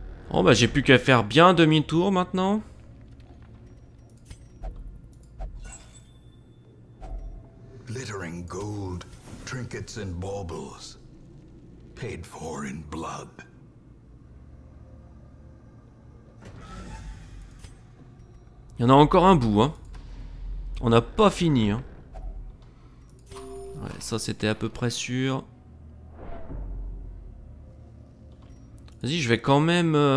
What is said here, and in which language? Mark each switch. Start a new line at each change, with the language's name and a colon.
French: Oh bah j'ai plus qu'à faire bien demi-tour maintenant.
English: Glittering gold, trinkets and baubles, paid for in blood.
French: Il y en a encore un bout, hein. On n'a pas fini, hein. Ouais, ça c'était à peu près sûr. Vas-y, je vais quand même.